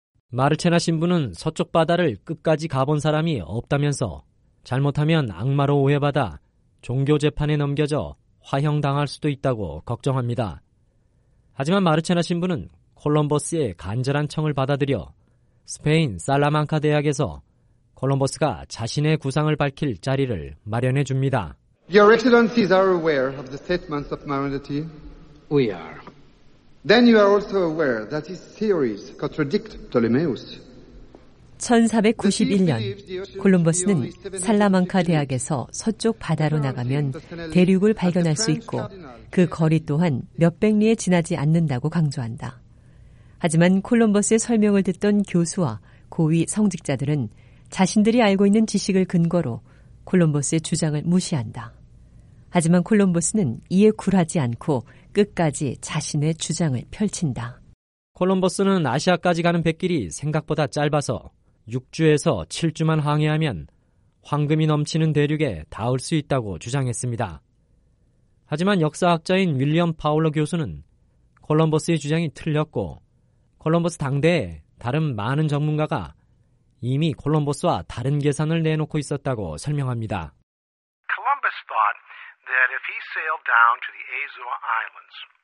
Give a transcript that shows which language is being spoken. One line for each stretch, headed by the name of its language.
Korean: 마르체나 신부는 서쪽 바다를 끝까지 가본 사람이 없다면서 잘못하면 악마로 오해받아 종교 재판에 넘겨져 화형당할 수도 있다고 걱정합니다. 하지만 마르체나 신부는 콜럼버스의 간절한 청을 받아들여 스페인 살라만카 대학에서 콜럼버스가 자신의 구상을 밝힐 자리를 마련해 줍니다.
English: Your excellencies are aware of the statements of morality. We are. Then you are also aware that his theories contradict Ptolemaeus.
Korean: 1491, 콜럼버스는 살라만카 대학에서 서쪽 바다로 나가면 대륙을 발견할 수 있고 그 거리 또한 몇백 리에 지나지 않는다고 강조한다. 하지만 콜럼버스의 설명을 듣던 교수와 고위 성직자들은 자신들이 알고 있는 지식을 근거로 콜럼버스의 주장을 무시한다. 하지만 콜럼버스는 이에 굴하지 않고 끝까지 자신의 주장을 펼친다. 콜럼버스는 아시아까지 가는 뱃길이 생각보다 짧아서 6주에서 7주만 항해하면 황금이 넘치는 대륙에 닿을 수 있다고 주장했습니다. 하지만 역사학자인 윌리엄 파울러 교수는 콜럼버스의 주장이 틀렸고 콜럼버스 당대에 다른 많은 전문가가 이미 콜럼버스와 다른 계산을 내놓고 있었다고 설명합니다.
English: Columbus thought that if he sailed down to the Azores Islands,